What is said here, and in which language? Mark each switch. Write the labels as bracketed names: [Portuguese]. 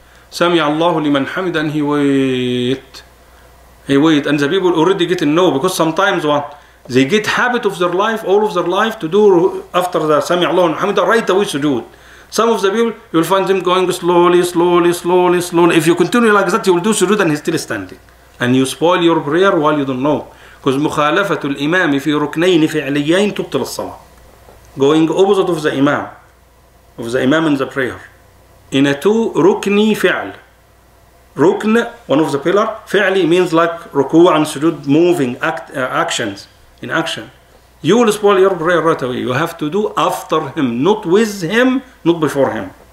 [Arabic] سمع الله لمن حمده, [English] and he wait, and the people already get to know, because sometimes what? They get habit of their life, all of their life, to do after the [Arabic] سمع الله الحمد [English] right away sujood. Some of the people, you'll find them going slowly, slowly, slowly, slowly. If you continue like that, you will do sujood and he's still standing. And you spoil your prayer while you don't know. [Arabic] Because مخالفة الإمام في ركنين فعليين تبطل الصلاة. [English] Going opposite of the imam, of the imam in the prayer. In a two ركني فعل. ركن, one of the pillar. فعلي means like ركوع and sujood, moving actions. In action, you will spoil your prayer right away. You have to do after him, not with him, not before him.